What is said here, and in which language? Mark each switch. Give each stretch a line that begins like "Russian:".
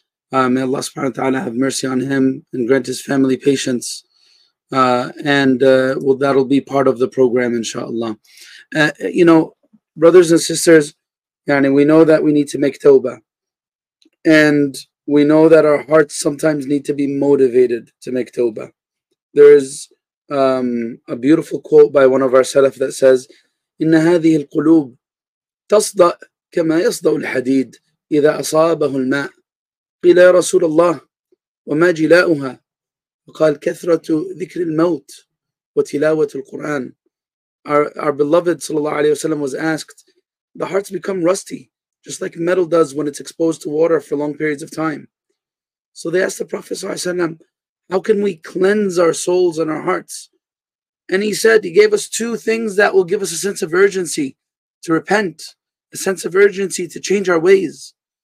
English: May Allah subhanahu wa ta'ala have mercy on him and grant his family patience. Well, that'll be part of the program inshallah. You know, brothers and sisters, yani we know that we need to make tawbah. And we know that our hearts sometimes need to be motivated to make tawbah. There is a beautiful quote by one of our salaf that says,
Arabic: إِنَّ هَذِهِ الْقُلُوبِ تَصْدَأْ كَمَا يَصْدَأُ الْحَدِيدِ إِذَا أَصَابَهُ الْمَاءِ قِلَى رَسُولَ اللَّهِ وَمَا جِلَاؤُهَا قَالْ كَثْرَةُ ذِكْرِ الْمَوْتِ وَتِلَاوَةُ الْقُرْآنِ.
English: Our beloved sallallahu alayhi wa sallam was asked, the hearts become rusty, just like metal does when it's exposed to water for long periods of time. So they asked the Prophet sallallahu alayhi wa sallam, how can we cleanse our souls and our hearts? And he said, he gave us two things that will give us a sense of urgency to repent, a sense of urgency to change our ways.